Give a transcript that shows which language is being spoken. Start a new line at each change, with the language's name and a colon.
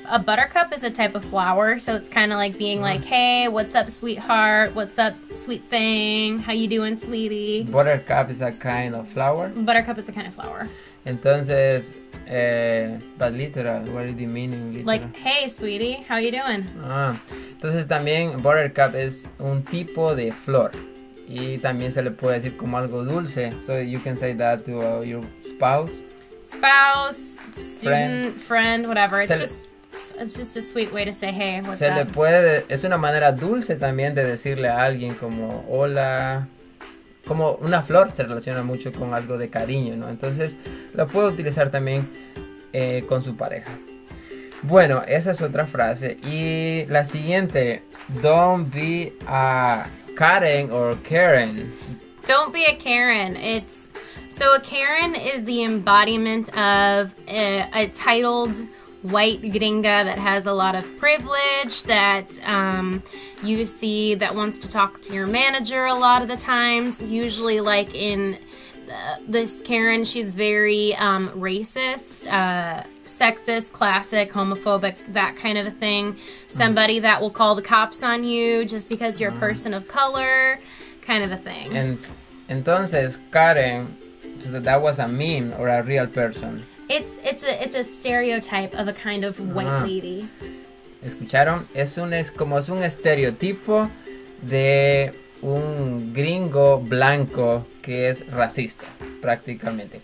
English: A buttercup is a type of flower, so it's kind of like being like, hey, what's up, sweetheart? What's up, sweet thing? How you doing, sweetie? Buttercup is a kind of flower? Buttercup is a kind of flower. Entonces, but literal, what do you mean in literal? Like, hey, sweetie, how you doing?
Spanish: Entonces también buttercup es un tipo de flor. Y también se le puede decir como algo dulce.
English: So you can say that to your spouse. Spouse, student, friend, whatever. It's just a sweet way to say, hey, what's
Spanish: se
English: up?
Spanish: Se le puede, es una manera dulce también de decirle a alguien como, hola. Como una flor se relaciona mucho con algo de cariño, ¿no? Entonces, lo puede utilizar también con su pareja. Bueno, esa es otra frase. Y la siguiente,
English: don't be a Karen or Karen. Don't be a Karen. So a Karen is the embodiment of a titled white gringa that has a lot of privilege, that you see that wants to talk to your manager a lot of the times. Usually, like in this Karen, she's very racist, sexist, classic, homophobic, that kind of a thing. Somebody that will call the cops on you just because you're a person of color, kind of a thing. And entonces, Karen, that was a meme or a real person. It's a stereotype of a kind of white lady.
Spanish: ¿Escucharon? Es un estereotipo de un gringo blanco que es racista, prácticamente.